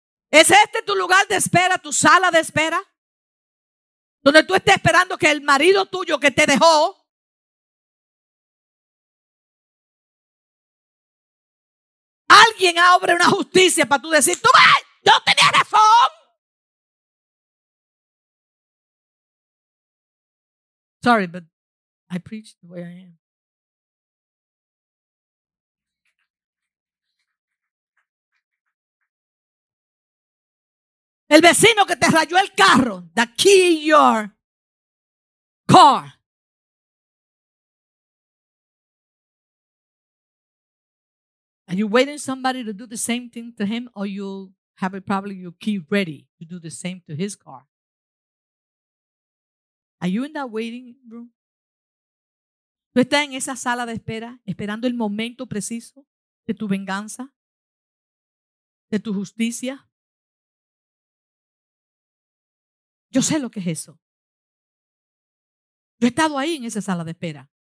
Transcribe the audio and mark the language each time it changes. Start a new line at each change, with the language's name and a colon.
Spanish: ¿Es este tu lugar de espera, tu sala de espera? Donde tú estás esperando que el marido tuyo que te dejó, alguien abra una justicia para tú decir, tú ves, yo tenía razón.
English: Sorry, but I preach the way I am.
Spanish: El vecino que te rayó el carro,
English: the key in your car. Are you waiting somebody to do the same thing to him, or you have probably your key ready to do the same to his car? Are you in that waiting room?
Spanish: ¿Tú estás en esa sala de espera esperando el momento preciso de tu venganza, de tu justicia? Yo sé lo que es eso. Yo he estado ahí en esa sala de espera.